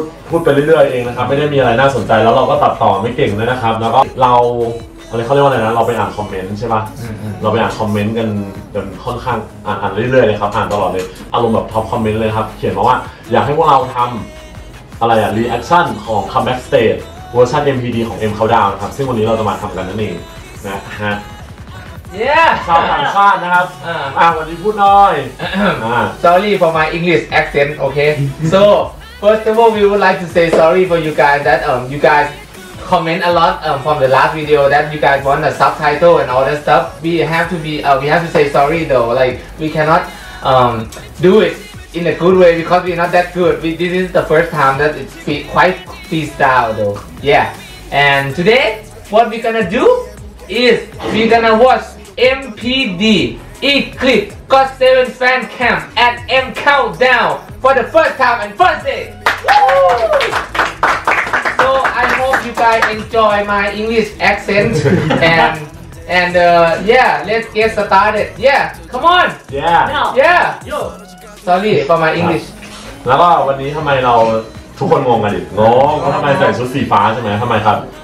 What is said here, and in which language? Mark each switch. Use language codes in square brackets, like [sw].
[th] พูดไปเรื่อยๆเองนะครับไม่ได้มีอะไรน่าสนใจแล้วเราก็ตัดต่อไม่เก่งเลยนะครับแล้วก็เราอะไรเขาเรียกว่าอะไรนะเราไปอ่านคอมเมนต์ใช่ป่ะเราไปอ่านคอมเมนต์กันค่อนข้างอ่านเรื่อยๆเลยครับอ่านตลอดเลยอารมณ์แบบท็อปคอมเมนต์เลยครับเขียนมาว่าอยากให้พวกเราทำอะไรอ่ะรีแอคชั่นของ Comeback Stage เวอร์ชั่น MPD ของ M Countdown ครับซึ่งวันนี้เราจะมาทำกันนั่นเองนะฮะชาวต่างชาตินะครับวันนี้พูดหน่อย [en] Sorry for my English accent okay so first of all we would like to say sorry for you guys that you guysComment a lot from the last video that you guys want the subtitle and all that stuff. We have to say sorry though. Like we cannot do it in a good way because we're not that good. This is the first time that it's quite freestyle though. Yeah. And today, what we're gonna do is we're gonna watch MPD Eclipse GOT7 Fan Camp at M Countdown for the first time and first day. Woo! I hope you guys enjoy my English accent and let's get started. Yeah, come on. Yeah. Yeah. Yo. Sorry for my English. [th] แล้วก็วันนี้ทำไมเราทุกคนงงกันดิงงทำไมใส่ชุดสีฟ้าใช่ไหมทำไมครับ